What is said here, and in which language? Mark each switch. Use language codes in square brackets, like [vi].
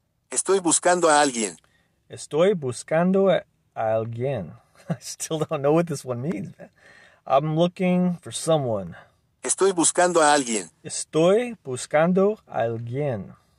[es] Estoy buscando a alguien. Estoy buscando a alguien. [en] I still don't know what this one means, man. I'm looking for someone. [es] Estoy buscando a alguien. Estoy buscando a alguien.